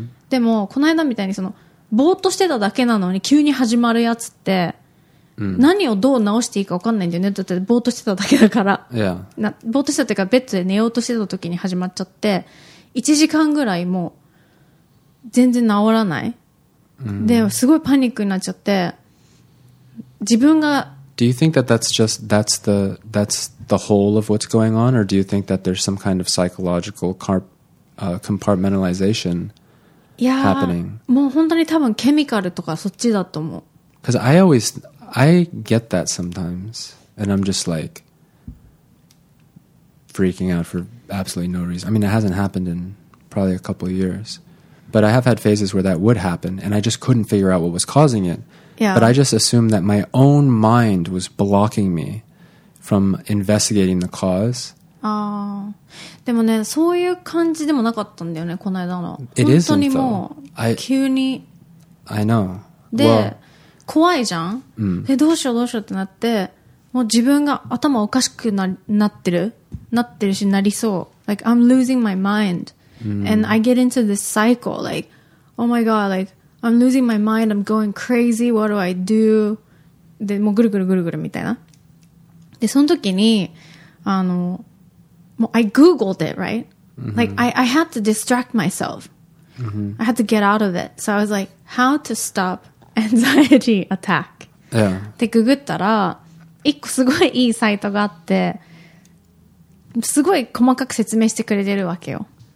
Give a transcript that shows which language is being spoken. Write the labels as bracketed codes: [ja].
[ja] でもこの間みたいにそのぼーっとしてただけなのに急に始まるやつって、何をどう直していいか分かんないんだよね。だってぼーっとしてただけだから。ぼーっとしたっていうかベッドで寝ようとしてた時に始まっちゃって、1時間ぐらいも。全然治らない。ですごいパニックになっちゃって、自分が。 [en] Do you think that that's just that's the whole of what's going on, or do you think that there's some kind of psychological compartmentalization happening? [ja] もう本当に多分ケミカルとかそっちだと思う。 [en] Because I get that sometimes, and I'm just like freaking out for absolutely no reason. I mean, it hasn't happened in probably a couple of years. But I have had phases where that would happen, and I just couldn't figure out what was causing it. Yeah. But I just assumed that my own mind was blocking me from investigating the cause. [ja] ああ、でもね、そういう感じでもなかったんだよね、この間の。 [en] It isn't though. [ja] 本当にもう、急に。 [en] I know. [ja] で、怖いじゃん。で、どうしようどうしようってなって、もう自分が頭おかしくなってる。なってるし、なりそう。 [en] Like, I'm losing my mind. And I get into this cycle, like, oh my god, like, I'm losing my mind, I'm going crazy, what do I do? [ja] で、もうぐるぐるぐるぐるみたいな。で、その時に、あの、 [en] I googled it, right? Mm-hmm. Like, I had to distract myself. Mm-hmm. I had to get out of it. So I was like, how to stop anxiety attack? Yeah. [ja] でググったら、一個すごいいいサイトがあって、すごい細かく説明してくれてるわけよ。